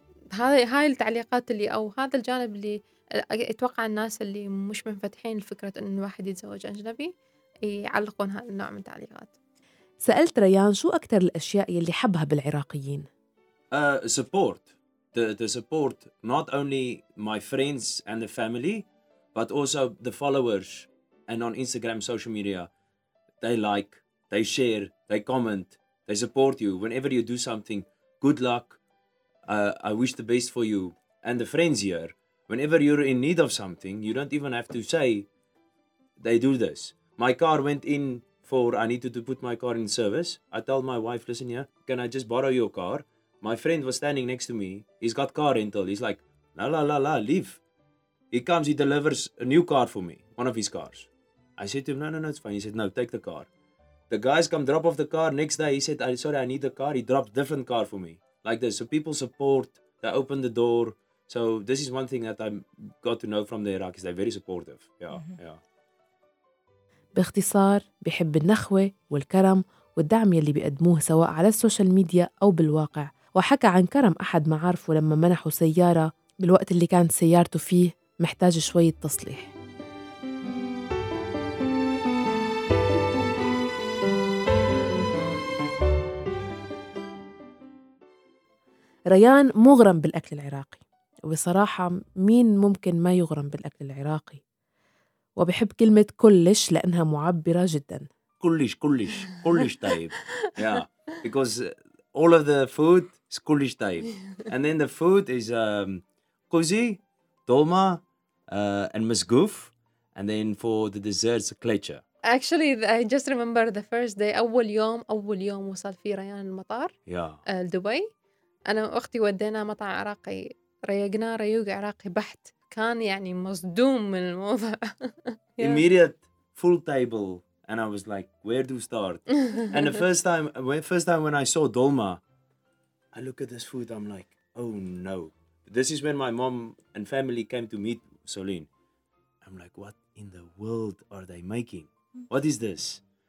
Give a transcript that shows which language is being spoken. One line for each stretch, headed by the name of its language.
Arabic: فهاي التعليقات اللي أو هذا الجانب اللي أتوقع الناس اللي مش منفتحين لفكرة أن الواحد يتزوج أجنبي يعلقون هذا النوع من التعليقات. سألت ريان شو أكثر الأشياء اللي حبها بالعراقيين؟
English: Support. The support not only my friends and the family but also the followers and on Instagram social media they like, they share, they comment, they support you. Whenever you do something, good luck. I wish the best for you. And the friends here, whenever you're in need of something, you don't even have to say, they do this. My car went in for, I needed to put my car in service. I told my wife, listen here, can I just borrow your car? My friend was standing next to me. He's got car rental. He's like,
Arabic: la, la, la, la,
English: leave. He comes, he delivers a new car for me, one of his cars. I said to him, no, it's fine. He said, no, take the car. The guys come drop off the car. Next day, he said, sorry, I need a car. He dropped different car for me. Like this. So people support. They open the door. So this is one thing that I got to know from the Iraqis. They're very supportive. Yeah, yeah.
Arabic: باختصار، بحب النخوة والكرم والدعم يلي بيقدموه سواء على السوشيال ميديا أو بالواقع. وحكى عن كرم أحد معارفه لما منحه سيارة بالوقت اللي كانت سيارته فيه محتاج شوية تصليح. ريان مغرم بالأكل العراقي، وبصراحة مين ممكن ما يغرم بالأكل العراقي؟ وبحب كلمة كلش لأنها معبرة جدا. كلش كلش كلش طيب.
English: Yeah, because all of the food is
Arabic: كلش طيب.
English: And then the food is قوزي دولما and مسقوف. And then for the desserts كليتشا. Actually, I just remember the first day.
Arabic: أول يوم وصل فيه ريان المطار.
English: Yeah.
Arabic: دبي. أنا وأختي ودينا مطعم عراقي، ريقنا ريوق عراقي بحت، كان يعني مصدوم من الموضوع.
English: Immediate full table and I was like where do start. And the first time when I saw dolma I look at this food I'm like oh no. This is when my mom and family came to meet Soline. I'm like what in the world are they making, what is this?